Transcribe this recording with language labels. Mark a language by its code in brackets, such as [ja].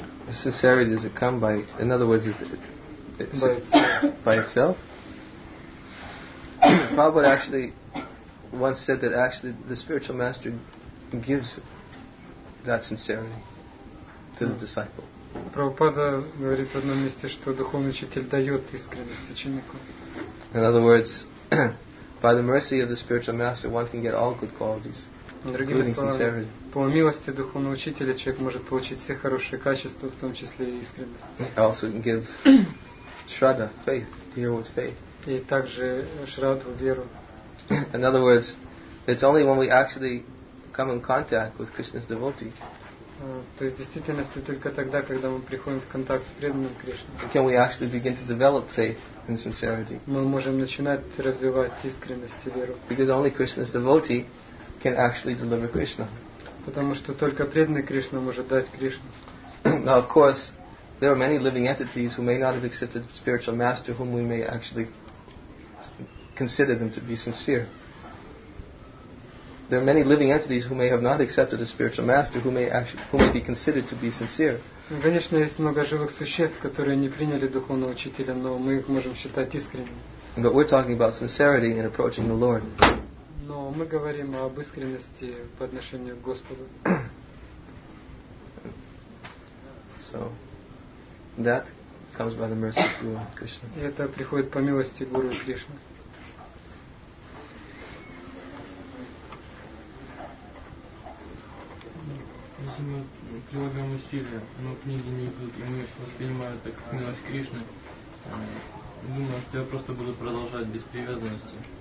[en] sincerity, does it come by, in other words, is it by itself? Prabhupada actually once said that actually the spiritual master gives that sincerity to the disciple. [ru] Prabhupada говорит в одном месте, что духовный учитель дает искренность ученику. [en] In other words, by the mercy of the spiritual master, one can get all good qualities, including sincerity. [ru] По милости духовного учителя человек может получить все хорошие качества, в том числе и искренность. [en] Also give shraddha, faith, deal with faith. [ru] И также шрадху, веру. [en] In other words, it's only when we actually come in contact with Krishna's devotee. [ru] То есть в действительности только тогда, когда мы приходим в контакт с преданным Кришной. [en] Can we actually begin to develop faith and sincerity? [ru] Мы можем начинать развивать искренность и веру. [en] Because only Krishna's devotee can actually deliver Krishna. [ru] Потому что только преданный Кришна может дать Кришну. [en] Now, of course, there are many living entities who may not have accepted the spiritual master, whom we may actually consider them to be sincere. There are many living entities who may have not accepted a spiritual master, who may be considered to be sincere. [ru] Конечно, есть много живых существ, которые не приняли духовного учителя, но мы их можем считать искренними. [en] But we're talking about sincerity in approaching the Lord. [ru] Но мы говорим об искренности по отношению к Господу. [en] So that comes by the mercy of Guru Krishna. [ru] И это приходит по милости Гуру Кришны. Если мы прилагаем усилия, но книги не идут, и мы воспринимаем это как милость Кришны, думаю, что я просто буду продолжать без привязанности.